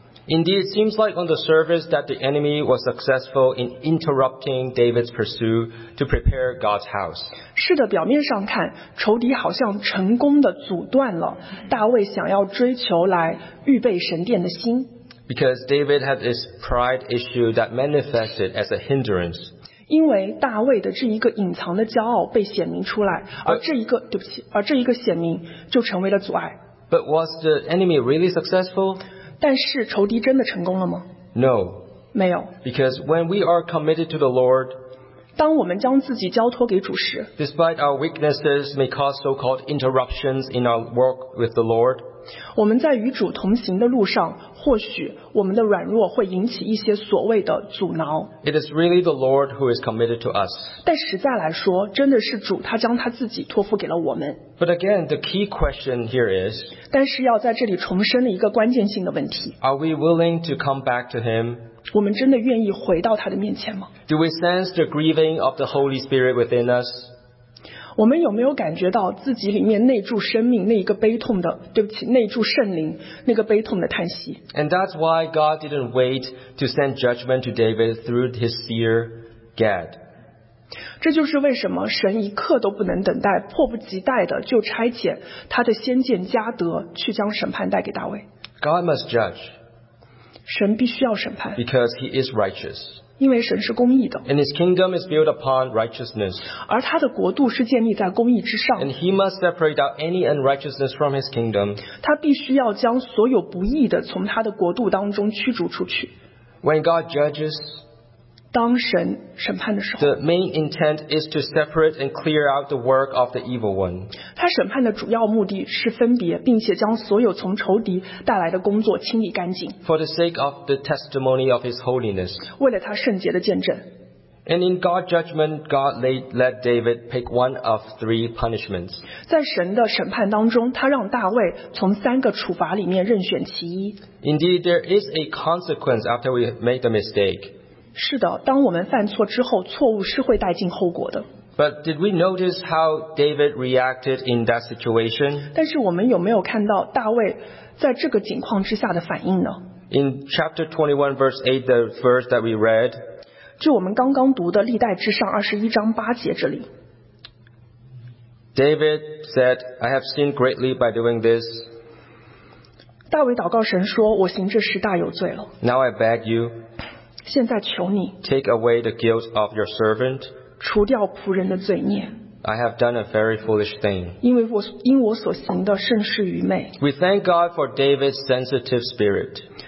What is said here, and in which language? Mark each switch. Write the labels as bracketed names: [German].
[English] Indeed, it seems like on the surface that the enemy was successful in interrupting David's pursuit to prepare God's house. [Chinese] 是的，表面上看，仇敌好像成功地阻断了大卫想要追求来预备神殿的心。 [English] Because David had this pride issue that manifested as a hindrance. [Chinese] 因为大卫的这一个隐藏的骄傲被显明出来，而这一个，对不起，而这一个显明就成为了阻碍。 [English] But was the enemy really successful? [Chinese] 但是仇敌真的成功了吗？ [English] No. [Chinese] 没有。 [English] Because when we are committed to the Lord, [Chinese] 当我们将自己交托给主时， [English] despite our weaknesses may cause so-called interruptions in our work with the Lord, [Chinese] 我们在与主同行的路上，或许我们的软弱会引起一些所谓的阻挠。 [English] It is really the Lord who is committed to us. [Chinese] 但实在来说，真的是主他将他自己托付给了我们。 [English] But again, the key question here is, [Chinese] 但是要在这里重申了一个关键性的问题。 [English] Are we willing to come back to him? [Chinese] 我们真的愿意回到他的面前吗？ [English] Do we sense the grieving of the Holy Spirit within us? [Chinese] 我们有没有感觉到自己里面内住生命那一个悲痛的，对不起，内住圣灵那个悲痛的叹息？ [English] And that's why God didn't wait to send judgment to David through his seer Gad. [Chinese] 这就是为什么神一刻都不能等待，迫不及待的就差遣他的先见加德去将审判带给大卫。 [English] God must judge. [Chinese] 神必须要审判。 [English] Because he is righteous. [Chinese] 因为神是公义的。 [English] And his kingdom is built upon righteousness. [Chinese] 而他的国度是建立在公义之上。 [English] And he must separate out any unrighteousness from his kingdom. [Chinese] 他必须要将所有不义的从他的国度当中驱逐出去。 [English] When God judges, [Chinese] 当神审判的时候， [English] the main intent is to separate and clear out the work of the evil one. [Chinese] 他审判的主要目的是分别，并且将所有从仇敌带来的工作清理干净。 [English] For the sake of the testimony of his holiness. [Chinese] 为了他圣洁的见证。 [English] And in God's judgment, God let David pick one of three punishments. [Chinese] 在神的审判当中，他让大卫从三个处罚里面任选其一。 [English] Indeed, there is a consequence after we make the mistake. [Chinese] 是的，当我们犯错之后，错误是会带进后果的。 [English] But did we notice how David reacted in that situation? [Chinese] 但是我们有没有看到大卫在这个情况之下的反应呢？ [English] In chapter 21, verse 8, the verse that we read, [Chinese] 就我们刚刚读的《历代志上》21章8节这里， [English] David said, I have sinned greatly by doing this. [Chinese] 大卫祷告神说，我行这事大有罪了。 [English] Now I beg you, [Chinese] 现在求你 [English] take away the guilt of your servant, [Chinese] 除掉仆人的罪孽。 [English] I have done a very foolish thing. [Chinese] 因我所行的甚是愚昧。 [English] We thank God for David's sensitive spirit.